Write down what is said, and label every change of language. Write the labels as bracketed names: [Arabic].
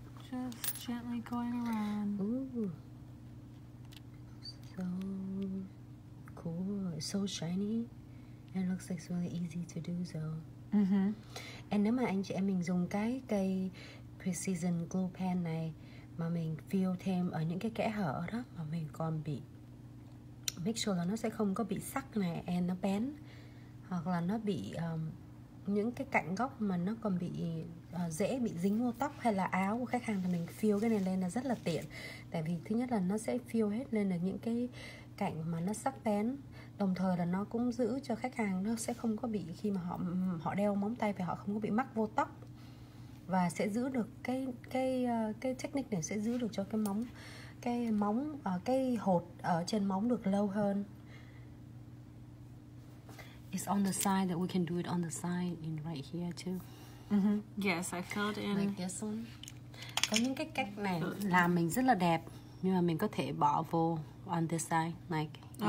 [English] Just gently going around. Ooh, so cool. It's so shiny. It looks like it's really easy to do so. Mm-hmm. [Vietnamese] And nếu mà anh chị em mình dùng cái cây precision glue pen này mà mình fill thêm ở những cái kẽ hở đó, mà mình còn bị [English] make sure [Vietnamese] là nó sẽ không có bị sắc này and nó bén, hoặc là nó bị những cái cạnh góc mà nó còn bị dễ bị dính vô tóc hay là áo của khách hàng, thì mình fill cái này lên là rất là tiện. Tại vì thứ nhất là nó sẽ fill hết lên được những cái cạnh mà nó sắc bén, đồng thời là nó cũng giữ cho khách hàng nó sẽ không có bị, khi mà họ đeo móng tay thì họ không có bị mắc vô tóc, và sẽ giữ được cái technique này sẽ giữ được cho cái móng cái hột ở trên móng được lâu hơn. [English] It's on the side that we can do it on the side in right here too. Mm-hmm. Yes, I filled in like this one. [Vietnamese] Có những cái cách này làm mình rất là đẹp, nhưng mà mình có thể bỏ vô [English] on this side like